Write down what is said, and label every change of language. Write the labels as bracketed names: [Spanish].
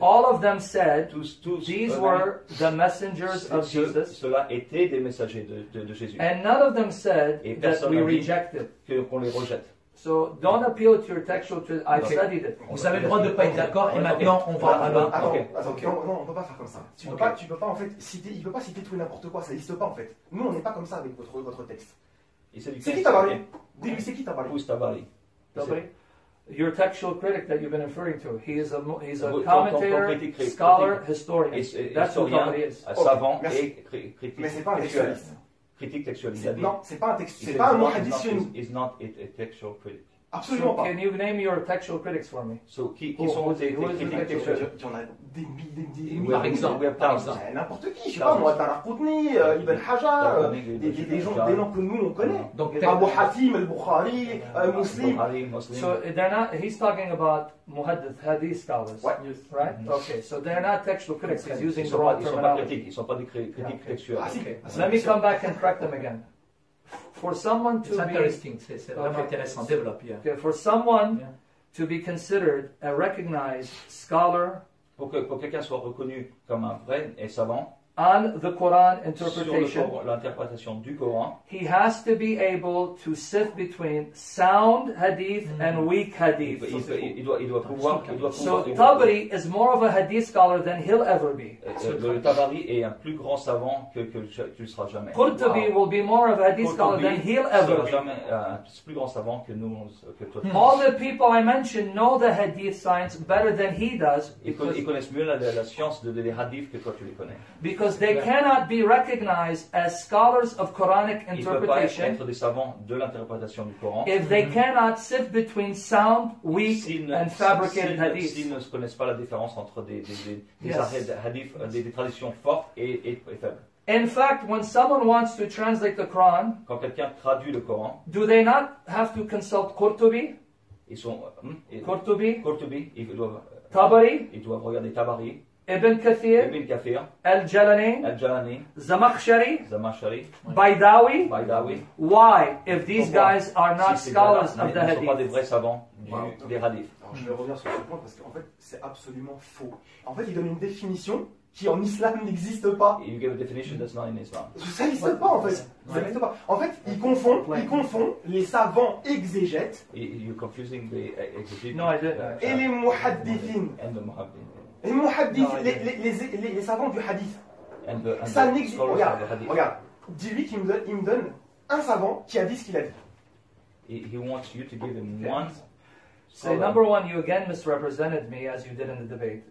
[English] All of them said these were the messengers of Jesus. [French] Cela était des messagers de Jésus. [English] And none of them said that we rejected. [French] Qu'on les rejette. [English] So don't appeal to your textual tradition. I've studied it. [French] Vous avez le droit de ne pas être d'accord et maintenant on va à l'un. Non, on ne peut pas faire comme ça. Tu peux pas en fait citer, il ne peut pas citer tout et n'importe quoi, ça n'existe pas en fait. Nous on n'est pas comme ça avec votre texte. C'est qui Tabari? Dis-lui, c'est qui Tabari? Où est Tabari? [English] Your textual critic that you've been referring to. He's a commentator, scholar, historian. That's what Tabari is. [French] Savant et critique. Mais c'est pas un textualiste. Critique textuelle. C'est pas un [English] textual critic. [French] Absolument pas. [English] Can you name your textual critics for me? [French] So qui sont vos critiques textuels? Il y en a des par exemple, n'importe qui, je sais pas, moi Tahrir Qutni, Ibn Hajar, des noms que nous on connaît. Donc Abu Hatim al-Bukhari, Muslim. [English] So he's talking about muhaddith hadith scholars. Right? Okay. So they're not textual critics, he's using the wrong terminology. [French] Ils sont pas des critiques textuels. [English] Let me come back and correct them again. For someone to be interesting, [French] c'est vraiment intéressant. Développe, yeah. [English] Okay, for someone to be considered a recognized scholar, [French] pour quelqu'un soit reconnu comme un vrai et savant, [English] on the Quran interpretation, [French] sur l'interprétation du Coran, [English] he has to be able to sift between sound hadith and weak hadith. Tabari is more of a hadith scholar than he'll ever be. [French] Tabari est un plus grand savant que tu seras jamais. [English] Qurtubi will be more of a hadith scholar than he'll ever be. [French] Jamais, plus grand savant que nous, que toi. [English] All the people I mentioned know the hadith science better than he does. [French] Ils connaissent mieux la science des hadiths que toi tu les connais. [English] Because they cannot be recognized as scholars of Quranic interpretation. [French] Ils ne peuvent pas être des savants de l'interprétation du Coran. [English] If they cannot sift between sound, weak, and fabricated hadiths. [French] S'ils ne connaissent pas la différence entre des hadiths, des traditions fortes et faibles. [English] In fact, when someone wants to translate the Quran, [French] quand quelqu'un traduit le Coran, [English] do they not have to consult Qurtubi? [French] Ils sont Qurtubi. Qurtubi. Ils doivent Tabari. Ils doivent regarder Tabari. Ibn Kathir, Ibn Kathir, Al-Jalani, Al-Jalani, Zamakhshari, Zamakhshari, Baydawi, Baydawi. [English] Why, if these guys are not scholars of the hadith? [French] Ils ne sont pas des vrais savants des hadiths. Je vais revenir sur ce point parce qu'en fait, c'est absolument faux. En fait, il donne une définition qui en islam n'existe pas. [English] You give a definition that's not in Islam. [French] Ça n'existe pas en fait. Ça n'existe pas. En fait, il confond, les savants exégètes. [English] You're confusing the exégètes. No, I didn't. [French] Et les muhaddithin. [English] And the muhaddithin. [French] Les muhaddithin, les savants du hadith. [English] And [French] ça n'existe pas. Regarde, dis-lui qu'il me donne un savant qui a dit ce qu'il a dit. [English] He wants you to give him one. Say number one, you again misrepresented me as you did in the debate.